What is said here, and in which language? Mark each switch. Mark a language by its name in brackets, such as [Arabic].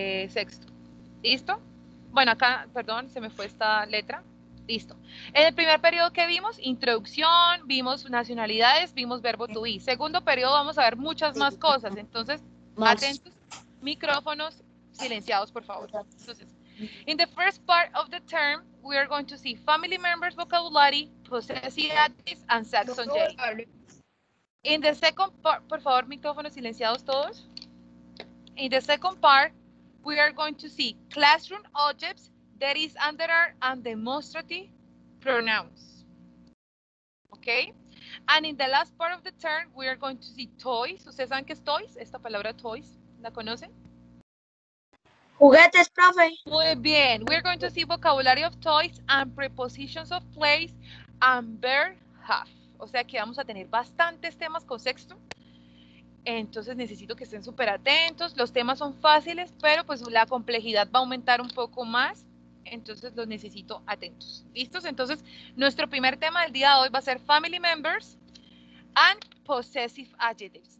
[Spanish] Sexto. ¿Listo? Bueno, acá, perdón, se me fue esta letra. Listo. En el primer periodo, ¿qué vimos? Introducción, vimos nacionalidades, vimos verbo to be. Segundo periodo, vamos a ver muchas más cosas. Entonces, atentos, micrófonos silenciados, por favor. Entonces, [English] in the first part of the term, we are going to see family members, vocabulary, possessive adjectives, and Saxon J. In the second part, [Spanish] por favor, micrófonos silenciados todos. [English] In the second part, we are going to see classroom objects, that is under are and demonstrative pronouns. Okay? And in the last part of the term, we are going to see toys. [Spanish] ¿Ustedes saben qué es toys? Esta palabra toys, ¿la conocen? Juguetes, profe. Muy bien. [English] We are going to see vocabulary of toys and prepositions of place and verb have. [Spanish] O sea que vamos a tener bastantes temas con sexto. Entonces necesito que estén súper atentos. Los temas son fáciles, pero pues la complejidad va a aumentar un poco más. entonces los necesito atentos. ¿Listos? Entonces, nuestro primer tema del día de hoy va a ser [English] family members and possessive adjectives.